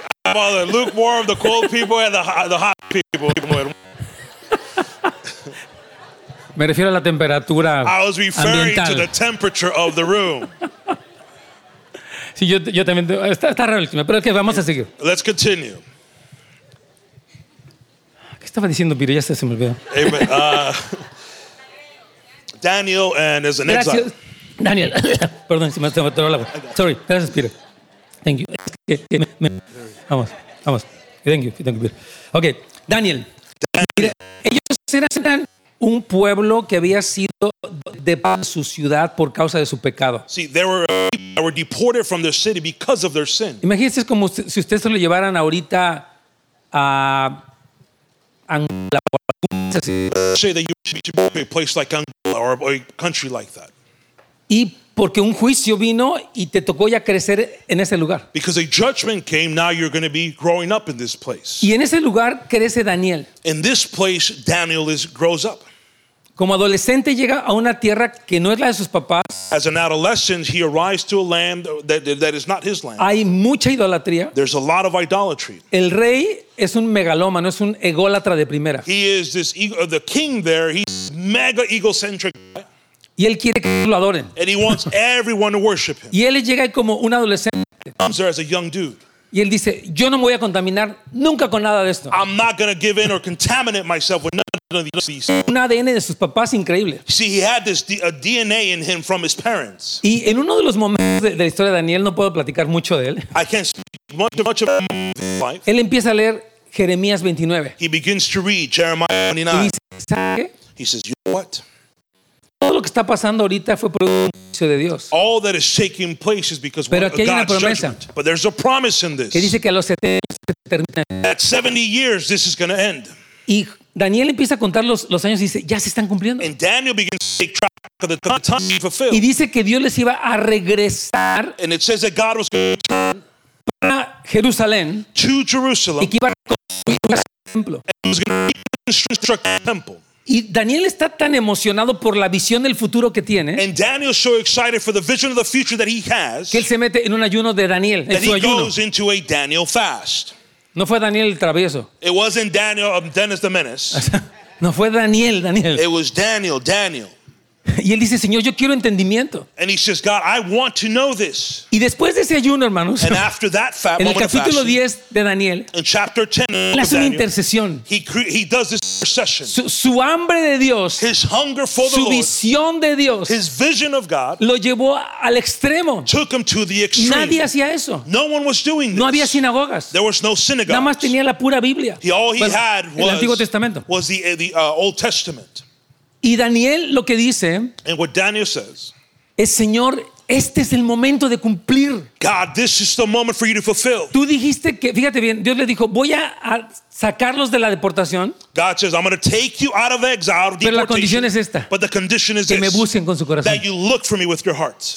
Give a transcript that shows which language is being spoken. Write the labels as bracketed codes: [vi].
[en] All the lukewarm, the cold people, and the hot people. [es] Me refiero a la temperatura ambiental. [en] I was referring to the temperature of the room. [es] Sí, yo también. Está raro el clima, pero es que vamos a seguir. [en] Let's continue. [es] ¿Qué estaba diciendo, Piro? Ya se me olvidó. [en] Amen. Daniel and as an exile. [es] Daniel, perdón, si me estaba todo el agua. [en] Sorry, gracias, Piro. Thank you. Vamos. Thank you, Peter. Okay, Daniel. [es] Mira, ellos eran un pueblo que había sido deportado de su ciudad por causa de su pecado. [en] See, they were people that were deported from their city because of their sin. [es] Imagínense como si ustedes se lo llevaran ahorita a Angola. [en] Say that you should be a place like Angola or a country like that. [es] Y porque un juicio vino y te tocó ya crecer en ese lugar. [en] Because a judgment came, now you're going to be growing up in this place. [es] Y en ese lugar crece Daniel. [en] In this place, Daniel grows up. [es] Como adolescente llega a una tierra que no es la de sus papás. [en] As an adolescent, he arrives to a land that is not his land. [es] Hay mucha idolatría. [en] There's a lot of idolatry. [es] El rey es un megalómano, es un ególatra de primera. [en] He is this the king there. He's mega egocentric. [es] Y él quiere que lo adoren. [en] And he wants everyone to worship him. [es] Y él llega como un adolescente. [en] He comes there as a young dude. [es] Y él dice, yo no me voy a contaminar nunca con nada de esto. [en] I'm not going to give in or contaminate myself with none of these things. [es] Un ADN de sus papás increíble. [en] See, he had this DNA in him from his parents. [es] Y en uno de los momentos de la historia de Daniel, no puedo platicar mucho de él. [en] I can't speak much of his life. [es] Él empieza a leer Jeremías 29. [en] He begins to read Jeremiah 29. [es] Y dice, ¿sabe qué? [en] He says, you know what? [es] Todo lo que está pasando ahorita fue por un juicio de Dios. [en] All that is taking place is because [es] pero aquí hay una promesa. [en] Judgment. But there's a promise in this. [es] Que dice que a los 70 años se termina. [en] At 70 years this is going to end. [es] Y Daniel empieza a contar los años y dice, ya se están cumpliendo. [en] And Daniel begins to take track of the time he fulfilled. [es] Y dice que Dios les iba a regresar. [en] And it says that God was going to return [es] para Jerusalén. [en] To Jerusalem. [es] Y que iba a construir un templo. [en] And was going to reconstruct the temple. [es] Y Daniel está tan emocionado por la visión del futuro que tiene. [en] And Daniel is so excited for the vision of the future that he has. [es] Que él se mete en un ayuno de Daniel, en su ayuno. [en] That he goes into a Daniel fast. [es] No fue Daniel el travieso. [en] It wasn't Daniel, Dennis the Menace. [es] No fue Daniel. [en] It was Daniel. [es] Y él dice, Señor, yo quiero entendimiento. [en] And he says, God, I want to know this. [es] Y después de ese ayuno, hermanos, [en] and after that fast, [es] en el capítulo 10 de Daniel, [en] in chapter 10 of [es] él hace [en] Daniel, [es] una intercesión. [en] He does this intercession. [es] Su hambre de Dios, [en] his hunger for the [es] su visión [en] Lord, [es] de Dios, [en] his vision of God, [es] lo llevó al extremo. [en] Took him to the extreme. [es] Nadie hacía eso. [en] No one was doing this. [es] No había sinagogas. [en] There was no synagogues. [es] Nada más tenía la pura Biblia. [en] All he had was [es] el Antiguo Testamento. [en] Was the Old Testament. [es] Y Daniel lo que dice [en] says, [es] es, Señor, este es el momento de cumplir. [en] God, this is the moment for you to fulfill. [es] Tú dijiste que, fíjate bien, Dios le dijo, voy a sacarlos de la deportación. [en] God says, I'm going to take you out of exile, out of deportation. [es] Pero la condición es esta. [en] But the condition is [es] que [en] this, [es] me busquen con su corazón. [en] That you look for me with your hearts.